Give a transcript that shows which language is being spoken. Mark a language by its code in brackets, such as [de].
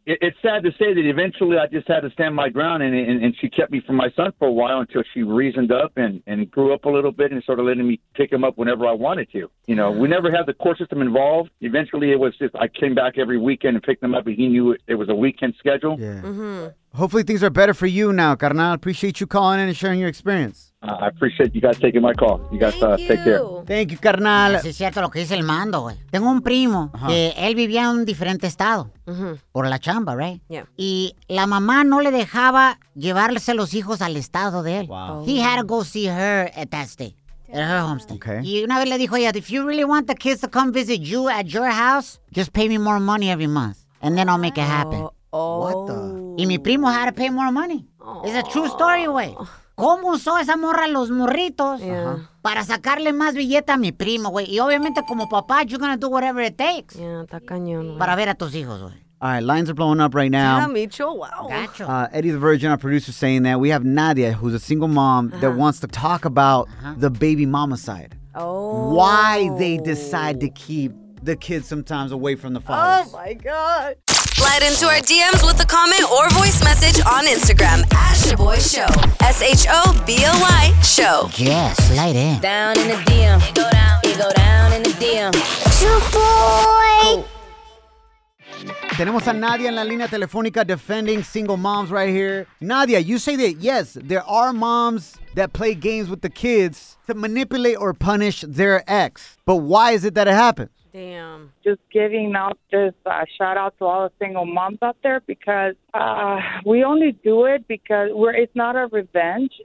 [en] It's sad to say that eventually I just had to stand my ground, and she kept me from my son for a while until she reasoned up and grew up a little bit and started letting me pick him up whenever I wanted to. You know, we never had the court system involved. Eventually, it was just I came back every weekend and picked him up, and he knew it was a weekend schedule. Yeah. Mm-hmm. Hopefully things are better for you now, carnal. Appreciate you calling in and sharing your experience. I appreciate you guys taking my call. You guys take care. Thank you, carnal. [es] Sí, es cierto lo que dice el mando, güey. Tengo un primo que él vivía en un diferente estado por la chamba, right? [en] Yeah. [es] Y la mamá no le dejaba llevarse los hijos al estado de él. [en] Wow. He had to go see her at that state. At her homestead. Okay. [es] Y una vez le dijo ella, [en] if you really want the kids to come visit you at your house, just pay me more money every month. And then I'll make it happen. Oh. What the? [es] Y mi primo [en] had to pay more money. Oh. It's a true story, güey. [es] ¿Cómo usó esa morra los morritos para sacarle más billete a mi primo, güey? Y obviamente como papá, [en] you're gonna do whatever it takes. [es] Yeah, está cañón, güey. Para ver a tus hijos, güey. [en] All right, lines are blowing up right now. Yeah, Micho, wow. [es] Gacho. [en] Eddie the Virgin, our producer, saying that we have Nadia, who's a single mom, that wants to talk about the baby mama side. Oh. Why they decide to keep the kids sometimes away from the fathers. Oh, my God. Slide into our DMs with a comment or voice message on Instagram at Shaboy Show. S-H-O-B-O-Y Show. Yeah, slide in. Down in the DM. It go down in the DM. Shaboy. [es] Tenemos a Nadia en la línea telefónica [en] defending single moms right here. Nadia, you say that, yes, there are moms that play games with the kids to manipulate or punish their ex. But why is it that it happens? Damn. Just giving out this shout out to all the single moms out there because we only do it because it's not a revenge.